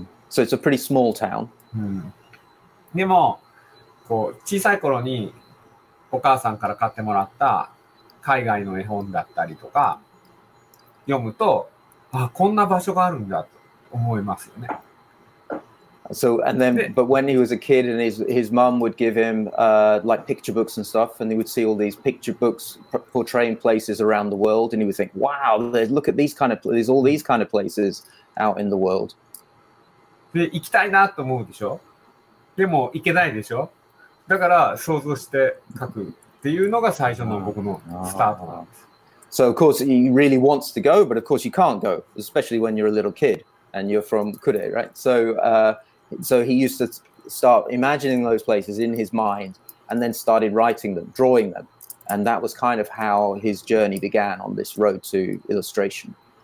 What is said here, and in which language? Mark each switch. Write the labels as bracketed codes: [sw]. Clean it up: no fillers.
[en] So it's a pretty small town. [ja] でもこう小さい頃にお母さんから買ってもらった海外の絵本だったりとか読むと、あ、こんな場所があるんだと思いますよね。 [en] So, and then, but when he was a kid and his mom would give him like picture books and stuff, and he would see all these picture books portraying places around the world, and he would think, wow, look at these kind of, there's all these kind of places out in the world. [ja] で、行きたいなと思うでしょ？でも行けないでしょ？だから想像して書くっていうのが最初の僕のスタートなんです。 [en] So, of course, he really wants to go, but of course you can't go, especially when you're a little kid. And you're from Kure, right? So, so he used to start imagining those places in his mind and then started writing them, drawing them. And that was kind of how his journey began on this road to illustration.